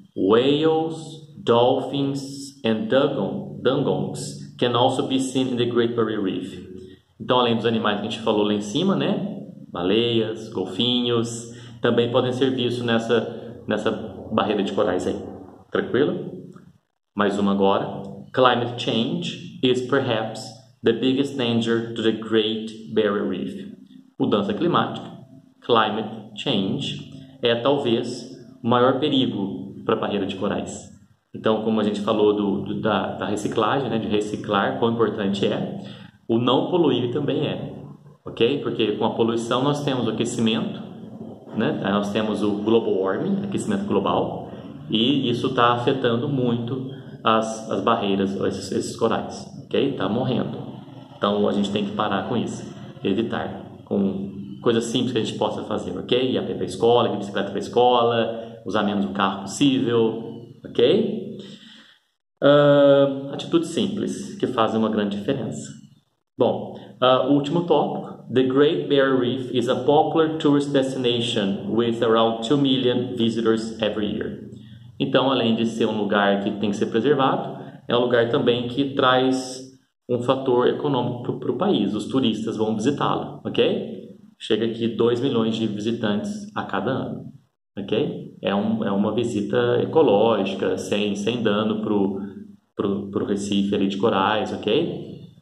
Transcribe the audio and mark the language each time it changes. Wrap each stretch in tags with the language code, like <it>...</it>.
<en>Whales, dolphins and dugongs can also be seen in the Great Barrier Reef.</en> <pt>Então, além dos animais que a gente falou lá em cima, né? Baleias, golfinhos, também podem ser vistos nessa barreira de corais aí. Tranquilo? Mais uma agora.</pt> <en>Climate change is perhaps the biggest danger to the Great Barrier Reef.</en> <pt>Mudança climática,</pt> <en>climate change,</en> <pt>é talvez o maior perigo para a barreira de corais. Então, como a gente falou da reciclagem, né, de reciclar, quão importante é, o não poluir também é. Ok? Porque com a poluição nós temos o aquecimento, né? Nós temos o global warming, aquecimento global, e isso está afetando muito as barreiras, esses corais. Ok? Está morrendo. Então a gente tem que parar com isso, evitar, com coisas simples que a gente possa fazer, ok? Ir a pé para a escola, ir a bicicleta para a escola, usar menos o carro possível, ok? Atitude simples que faz uma grande diferença. Bom, último tópico.</pt> <en>The Great Barrier Reef is a popular tourist destination with around 2 million visitors every year.</en> <pt>Então, além de ser um lugar que tem que ser preservado, é um lugar também que traz um fator econômico para o país. Os turistas vão visitá-lo, ok? Chega aqui 2 milhões de visitantes a cada ano, ok? É uma visita ecológica, sem dano pro Recife ali de corais, ok?</pt>